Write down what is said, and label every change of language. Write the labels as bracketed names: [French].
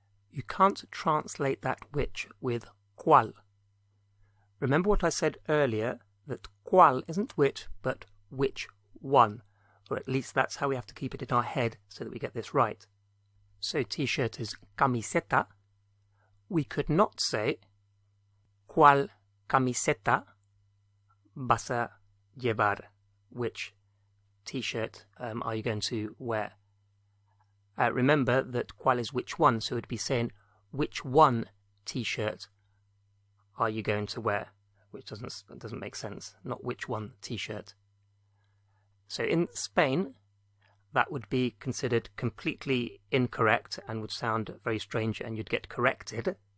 [English] You can't translate that which with cuál. Remember what I said earlier, that cuál isn't which, but which one. Or at least that's how we have to keep it in our head so that we get this right. So t-shirt is camiseta. We could not say [Spanish] ¿cuál camiseta vas a llevar? [English] Which t-shirt are you going to wear? Remember that ¿cuál is which one? So it'd be saying which one t-shirt are you going to wear? Which doesn't make sense. Not which one t-shirt. So in Spain, that would be considered completely incorrect and would sound very strange and you'd get corrected.